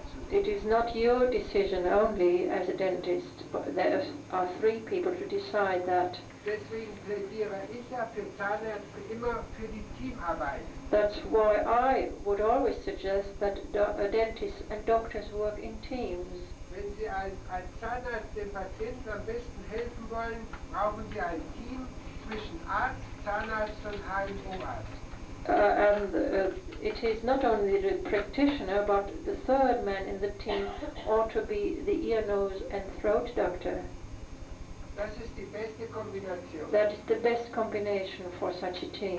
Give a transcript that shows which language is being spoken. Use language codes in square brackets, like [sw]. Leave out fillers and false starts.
[en] It is not your decision only as a dentist, but there are three people to decide that. That's why I would always suggest that dentists and doctors work in teams. [de] Wenn Sie als Zahnarzt dem Patienten am besten helfen wollen, brauchen Sie ein Team zwischen Arzt, Zahnarzt und HNO-Arzt. [en] It is not only the practitioner, but the third man in the team ought to be the ear, nose and throat doctor. [de] Das ist die beste Kombination. [en] That is the best combination for such a team.